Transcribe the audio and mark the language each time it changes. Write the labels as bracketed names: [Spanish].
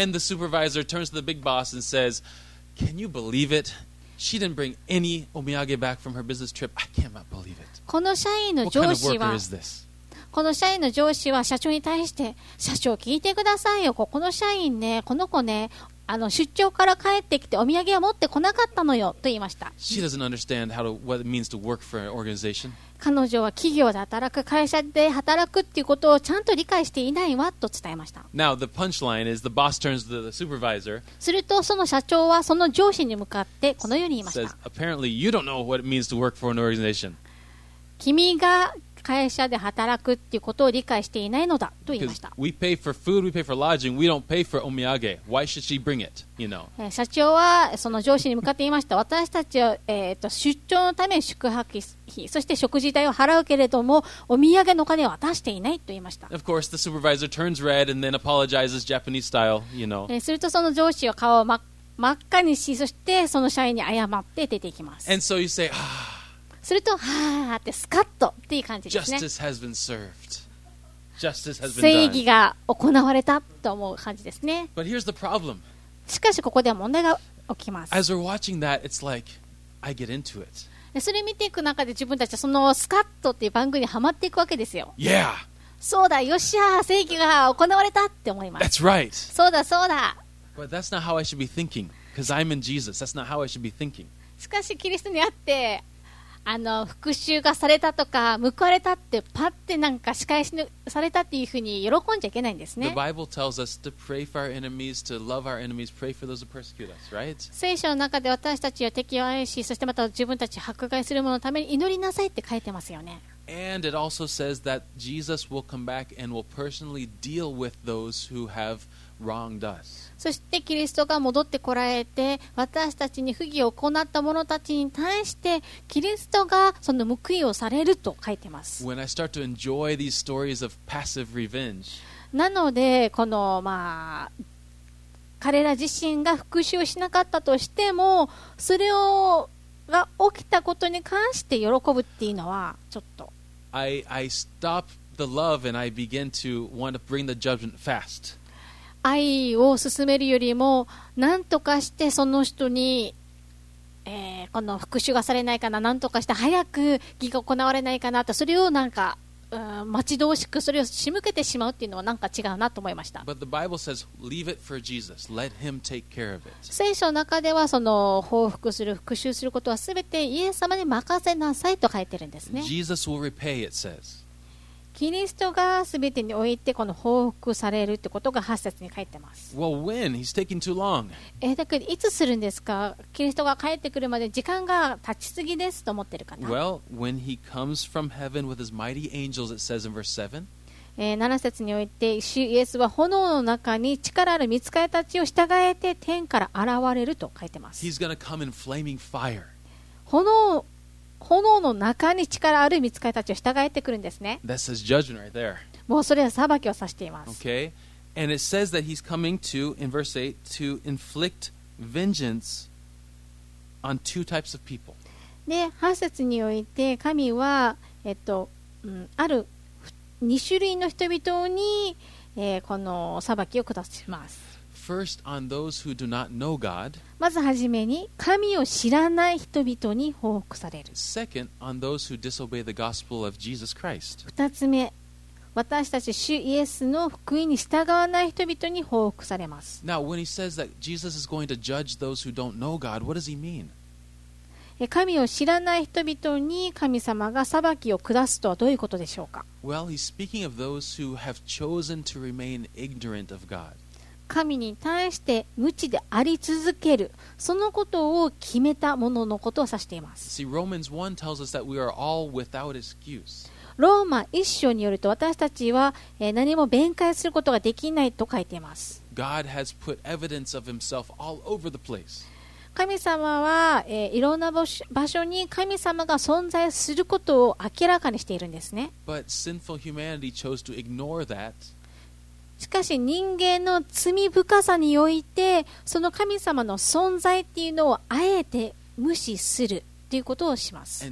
[English] And the supervisor turns to the big boss and says, "Can you believe it? She didn't bring any お土産 back from her business trip. I cannot believe it." [Japanese] この社員の上司は。 [English] What kind of worker is this? [Japanese] この社員の上司は社長に対して、社長聞いてくださいよ、この社員ね、この子ね、出張から帰ってきてお土産を持ってこなかったのよと言いました。 [English] She doesn't understand how to, what it means to work for an organization. [Japanese] 彼女は企業で働く、会社で働くっていうことをちゃんと理解していないわと伝えました。 [English] Now the punchline is the boss turns to the supervisor. [Japanese] するとその社長はその上司に向かってこのように言いました。 [English] Says, apparently you don't know what it means to work for an organization. [Japanese] 君が会社で働くっていうことを理解していないのだと言いました。 [English] We pay for food, we pay for lodging, we don't pay for omiyage. Why should she bring it? You know. [Japanese] 社長はその上司に向かって言いました。私たちは出張のため宿泊費、そして食事代を払うけれども、お土産のお金は渡していないと言いました。 [English] Of course, the supervisor turns red and then apologizes Japanese style, you know. [Japanese] するとその上司は顔を真っ赤にし、そしてその社員に謝って出ていきます。 [English] And so you say, ah. [Japanese] するとはーってスカッとっていう感じですね。 [English] Justice has been served. Justice has been done. [Japanese] 正義が行われたと思う感じですね。 [English] But here's the problem. [Japanese] しかしここでは問題が起きます。 [English] As we're watching that, it's like I get into it. [Japanese] それ見ていく中で自分たちはそのスカッとっていう番組にはまっていくわけですよ。 [English] Yeah. [Japanese] そうだ、よっしゃ、正義が行われたって思います。 [English] That's right. [Japanese] そうだ、そうだ。 [English] But that's not how I should be thinking, because I'm in Jesus. That's not how I should be thinking. [Japanese] しかしキリストにあって。復讐がされたとか報われたってパッてなんか仕返しされたっていうふうに喜んじゃいけないんですね。 [English] The Bible tells us to pray for our enemies, to love our enemies, pray for those who persecute us, right? [Japanese] 聖書の中で私たちは敵を愛し、そしてまた自分たちを迫害する者のために祈りなさいって書いてますよね。 [English] And it also says that Jesus will come back and will personally deal with those who have wronged us. [Japanese] そしてキリストが戻ってこられて、私たちに不義を行った者たちに対してキリストがその報いをされると書いてます。 [English] When I start to enjoy these stories of passive revenge. [Japanese] なのでこのまあ彼ら自身が復讐をしなかったとしても、それをが起きたことに関して喜ぶっていうのはちょっと。 [English] I stop the love and I begin to want to bring the judgment fast. [Japanese] 愛を進めるよりも何とかしてその人に、この復讐がされないかな、何とかして早く義が行われないかなと、それをなんか、待ち遠しくそれを仕向けてしまうっていうのはなんか違うなと思いました。 [English] But the Bible says, leave it for Jesus. Let him take care of it. [Japanese] 聖書の中ではその報復する復讐することは全てイエス様に任せなさいと書いてるんですね。 [English] Jesus will repay, it says. [Japanese] キリストが全てにおいてこの報復されるってことが8節に書いてます。 [English] Well, when? He's taking too long. [Japanese] だからいつするんですか、キリストが帰ってくるまで時間が経ちすぎですと思ってる方。 [English] Well, when he comes from heaven with his mighty angels, it says in verse 7, [Japanese] 7節において主イエスは炎の中に力ある御使いたちを従えて天から現れると書いてます。 [English] He's gonna come in flaming fire. [Japanese] 炎の中に力ある御使いたちを従えてくるんですね。 [English] That says judgment right there. [Japanese] もうそれは裁きを指しています。 [English] Okay. And it says that he's coming to, in verse 8, to inflict vengeance on two types of people. [Japanese] で、8節において神は、ある2種類の人々に、この裁きを下します。 [English] First, on those who do not know God. [Japanese] まずはじめに神を知らない人々に報告される。 [English] Second, on those who disobey the gospel of Jesus Christ. [Japanese] 2つ目、私たち主イエスの福音に従わない人々に報告されます。 [English] Now, when he says that Jesus is going to judge those who don't know God, what does he mean? [Japanese] 神を知らない人々に神様が裁きを下すとはどういうことでしょうか。 [English] Well, he's speaking of those who have chosen to remain ignorant of God. [Japanese] 神に対して無知であり続けるそのことを決めた者のことを指しています。 [English] See, Romans 1 tells us that we are all without excuse. [Japanese] ローマ1章によると私たちは何も弁解することができないと書いています。 [English] God has put evidence of himself all over the place. [Japanese] 神様は、いろんな場所に神様が存在することを明らかにしているんですね。 [English] But sinful humanity chose to ignore that. [Japanese] しかし人間の罪深さにおいてその神様の存在っていうのをあえて無視するということをします。